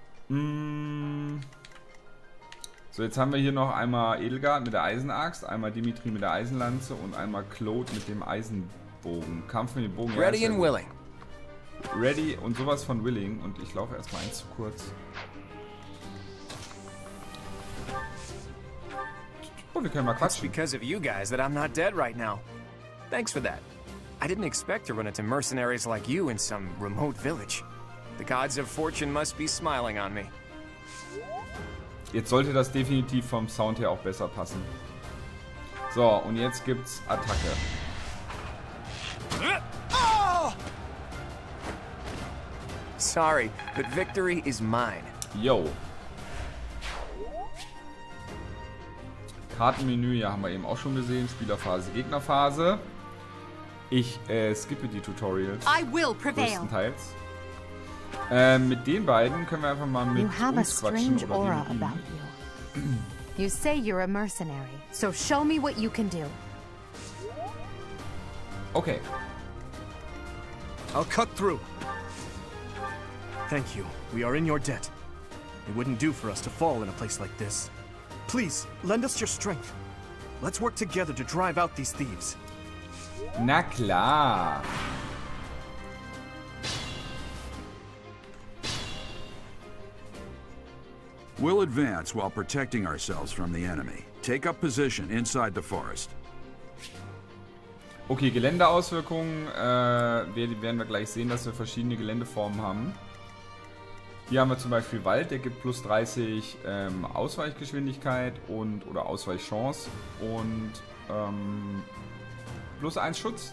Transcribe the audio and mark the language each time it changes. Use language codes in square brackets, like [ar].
[de] So, jetzt haben wir hier noch einmal Edelgard mit der Eisenaxt, einmal Dimitri mit der Eisenlanze und einmal Claude mit dem Eisenbogen. Kampf mit dem Bogen. [en] Ready and willing. [de] Ready und sowas von willing. Und ich laufe erstmal eins zu kurz. Oh, wir können mal quatschen. [en] It's because of you guys that I'm not dead right now. Thanks for that. I didn't expect to run into mercenaries like you in some remote village. The gods of fortune must be smiling on me. [de] Jetzt sollte das definitiv vom Sound her auch besser passen. So, und jetzt gibt's Attacke. [en] Sorry, but victory is mine. Yo. [de] Kartenmenü, ja, haben wir eben auch schon gesehen. Spielerphase, Gegnerphase. Ich skippe die Tutorials. [en] I will prevail. [de] Größtenteils. Mit den beiden können wir einfach mal mit [en] you have [de] uns quatschen. [en] A strange aura about you. You say you're a mercenary, so show me what you can do. Okay. I'll cut through. Thank you. We are in your debt. It wouldn't do for us to fall in a place like this. Please, lend us your strength. Let's work together to drive out these thieves. [de] Na klar. [en] We'll advance while protecting ourselves from the enemy. Take up position inside the forest. [de] Okay, Geländeauswirkungen. Werden wir gleich sehen, dass wir verschiedene Geländeformen haben. Hier haben wir zum Beispiel Wald, der gibt plus 30 Ausweichgeschwindigkeit und oder Ausweichchance und plus 1 Schutz.